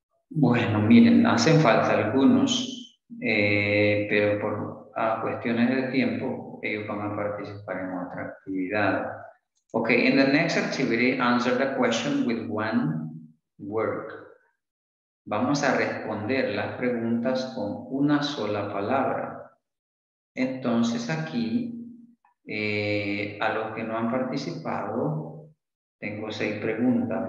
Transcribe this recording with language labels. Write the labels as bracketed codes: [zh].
[es] Bueno, miren, hacen falta algunos, pero por cuestiones de tiempo, ellos van a participar en otra actividad. [en] Okay, in the next activity, answer the question with one word. [es] Vamos a responder las preguntas con una sola palabra. Entonces aquí, a los que no han participado, tengo 6 preguntas.